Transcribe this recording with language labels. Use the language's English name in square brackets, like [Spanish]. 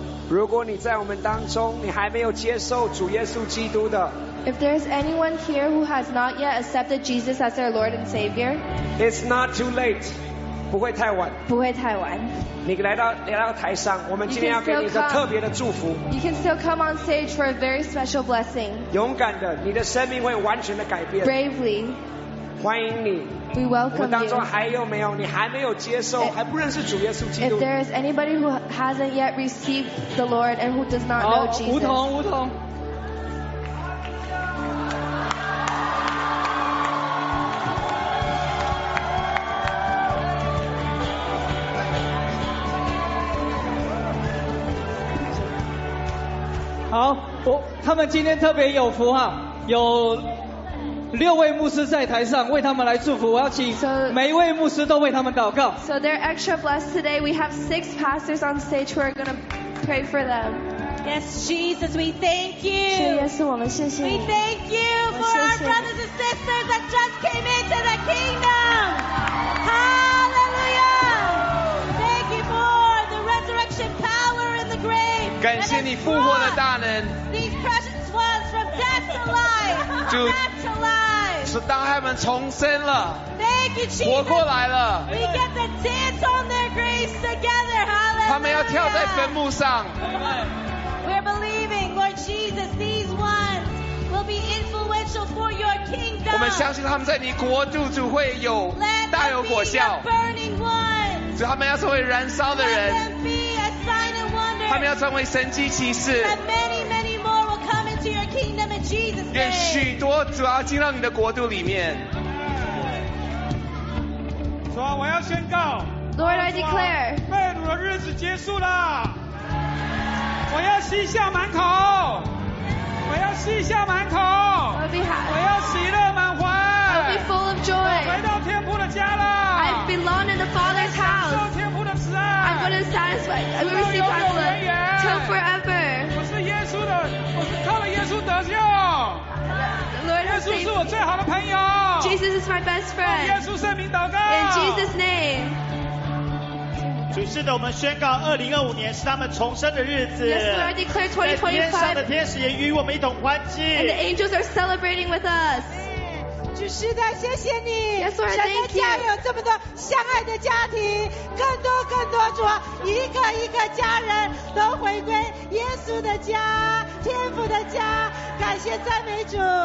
[Chinese] 如果你在我们当中，你还没有接受主耶稣基督的 [English] ，If there is anyone here who has not yet accepted Jesus as their Lord and Savior， It's not too late， [Chinese] 不会太晚。你来到台上，我们今天要给你一个特别的祝福。 [English] You can still come on stage for a very special blessing。 [Chinese] 勇敢的，你的生命会完全的改变。 [English] Bravely， [Chinese] 欢迎你。 [English] We welcome you. [Chinese] 我们当中还有没有你还没有接受 还不认识主耶稣基督？ [English] If there is anybody who hasn't yet received the Lord and who does not know Jesus. [Chinese] 梧桐。好，他们今天特别有福哈，有六位牧师在台上为他们来祝福，我要请每一位牧师都为他们祷告。 [English] So they're extra blessed today. We have six pastors on stage who are going to pray for them. Yes, Jesus, we thank you. [Chinese] 主耶稣，我们谢谢你。 [English] We thank you for our brothers and sisters that just came into the kingdom. Hallelujah. Thank you for the resurrection power in the grave. [Chinese] 感谢你复活的大能。 [English] These precious ones from death to life. [Chinese] 主。当他们重生了 [English] Thank you, Jesus. [Chinese] 活过来了 [English] We get to dance on their graves together. [Chinese] 他们要跳在坟墓上 [English] We're believing Lord Jesus these ones will be influential for your kingdom. [Chinese] 我们相信他们在你国度主会有大有果效 [English] Let them be the burning ones. [Chinese] 主他们要成为燃烧的人 [English] Let them be a sign and wonder. [Chinese] 他们要成为神迹奇事 [English] Let many many more will come into your kingdom in Jesus' name. [Chinese] 愿许多主要进到你的国度里面。主啊，我要宣告。 [English] Lord, I declare. [Chinese] 被掳的日子结束了。我要喜笑满口。我要喜笑满口。我要喜乐满怀。 [English] I'll be full of joy. [Chinese] 我回到天父的家了。 [English] I belong in the Father's house. [Chinese] 享受天父的慈爱。 [English] I'm going to satisfy. I will receive God's love. Till forever. [Chinese] 我是耶稣的。 [English] Lord, [Chinese] 耶稣是我最好的朋友。 [English] Jesus is my best friend. [Chinese] 耶稣圣名祷告。 [English] In Jesus' name. [Chinese] 主是的，我们宣告2025年是他们重生的日子。 [English] Yes, Lord, I declare 2025. [Chinese] 在天上的天使也与我们一同欢庆。 [English] And the angels are celebrating with us. [Chinese] 主是的，谢谢你。 [English] Yes, Lord, thank you. [Chinese] 神的家有这么多相爱的家庭，更多更多主啊，一个一个家人都回归耶稣的家。天父的家，感谢赞美主。